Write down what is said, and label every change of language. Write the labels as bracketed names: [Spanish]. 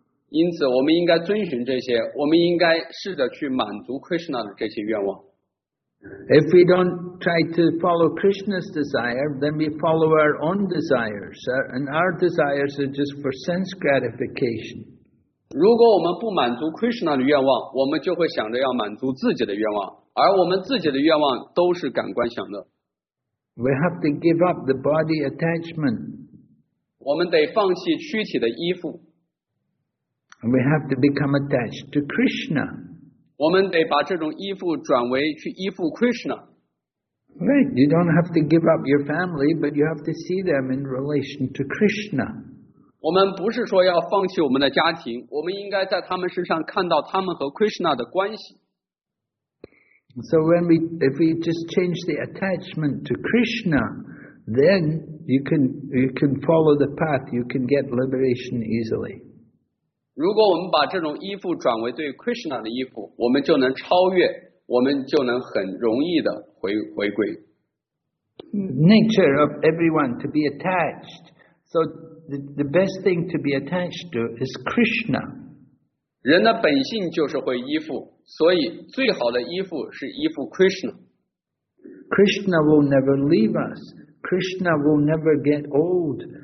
[Chinese] 因此，我们应该遵循这些，我们应该试着去满足 Krishna 的这些愿望。 [English] If we don't try to follow Krishna's desire, then we follow our own desires, and our desires are just for sense gratification. [Chinese] 如果我们不满足 Krishna 的愿望，我们就会想着要满足自己的愿望，而我们自己的愿望都是感官享乐。 [English] We have to give up the body attachment. [Chinese] 我们得放弃躯体的依附。 [English] We have to become attached to Krishna. [Chinese] 我们得把这种依附转为去依附 Krishna. [English] Right, you don't have to give up your family, but you have to see them in relation to Krishna. [Chinese] 我们不是说要放弃我们的家庭，我们应该在他们身上看到他们和 Krishna 的关系。 [English] So when we, if we just change the attachment to Krishna, then you can follow the path, you can get liberation easily. [Chinese] 如果我们把这种依附转为对 Krishna 的依附，我们就能超越，我们就能很容易的回归。 [English] Nature of everyone to be attached, so. The best thing to be attached to is Krishna. [Chinese] 人的本性就是会依附，所以最好的依附是依附 Krishna. [English] Krishna will never leave us. Krishna will never get old.